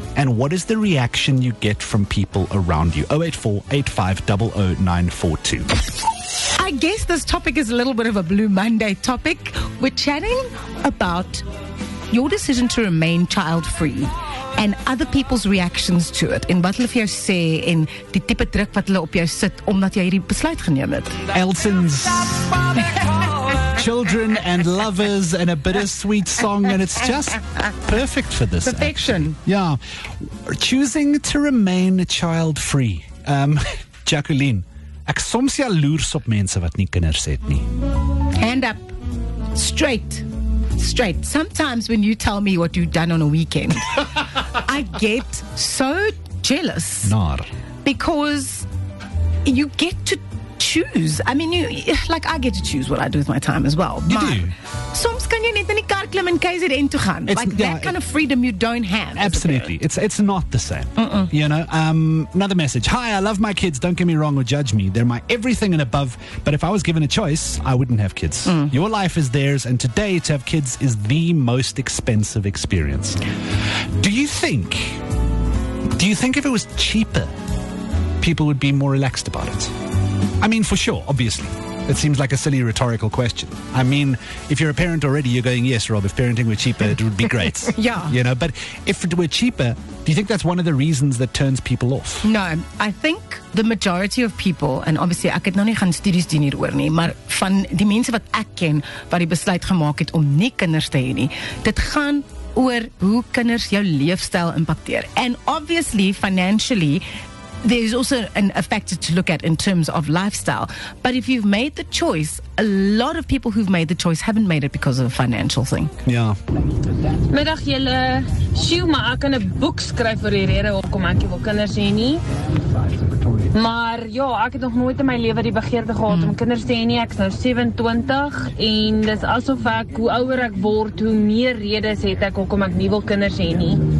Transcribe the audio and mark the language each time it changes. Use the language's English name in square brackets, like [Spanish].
[English] And what is the reaction you get from people around you? 084-8500-942. I guess this topic is a little bit of a Blue Monday topic. We're chatting about your decision to remain child-free and other people's reactions to it. [Afrikaans] En wat hulle vir jou sê en die tipe druk wat hulle op jou sit omdat jy hierdie besluit geneem het. [English] Elton's Children and Lovers and a bittersweet song, and it's just perfect for this. Perfection. Action. Yeah. Choosing to remain child-free. [Afrikaans] Jacqueline, ek soms jaloers op mense wat nie kinders het nie. [English] Hand up. Straight. Sometimes when you tell me what you've done on a weekend, I get so jealous. Nar. Because you get to choose. I mean, I get to choose what I do with my time as well. You do. [Afrikaans] Soms kan jy net in die kar klim en KZN toe gaan. [English] Kind of freedom you don't have. Absolutely. It's not the same. Mm-mm. You know, another message. Hi, I love my kids. Don't get me wrong or judge me. They're my everything and above. But if I was given a choice, I wouldn't have kids. Mm. Your life is theirs. And today to have kids is the most expensive experience. Do you think if it was cheaper, people would be more relaxed about it? I mean, for sure, obviously. It seems like a silly rhetorical question. I mean, if you're a parent already, you're going, yes, Rob, if parenting were cheaper, it would be great. Yeah. You know, but if it were cheaper, do you think that's one of the reasons that turns people off? No, I think the majority of people, and obviously, [Afrikaans] ek het nou nie gaan studies doen hieroor nie, maar van die mense wat ek ken, wat die besluit gemaak het om nie kinders te hê nie, dit gaan oor hoe kinders jou leefstyl impakteer. [English] And obviously, financially, there's also an factor to look at in terms of lifestyle. But if you've made the choice, a lot of people who've made the choice haven't made it because of a financial thing. Yeah. [Afrikaans] Middag julle. Sjoe, maar ek kan 'n boek skryf oor die rede hoekom ek wil kinders hê nie. Maar ja, ek het nog nooit in my lewe die begeerte gehad om kinders te hê nie. Ek is nou 27 en dis asof ek, hoe ouer ek word, hoe meer redes het ek hoekom ek nie wil kinders hê nie.